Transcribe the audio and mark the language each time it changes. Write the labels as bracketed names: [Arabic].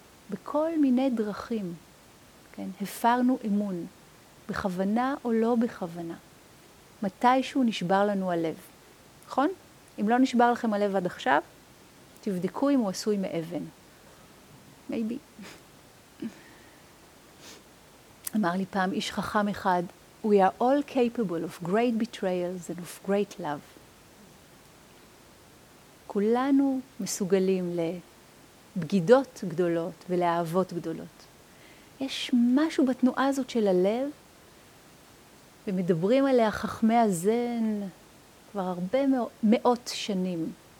[Hebrew] בכל מיני דרכים, כן, הפרנו אמון. בכוונה או לא בכוונה. מתישהו נשבר לנו הלב, נכון? אם לא נשבר לכם הלב עד עכשיו, תבדקו אם הוא עשוי מאבן. [English] Maybe. [Hebrew] אמר לי פעם איש חכם אחד, [English] We are all capable of great betrayals and of great love. [Hebrew] כולנו מסוגלים לבגידות גדולות ולאהבות גדולות. יש משהו בתנועה הזאת של הלב, ומדברים עליה חכמי הזן כבר הרבה מאות שנים.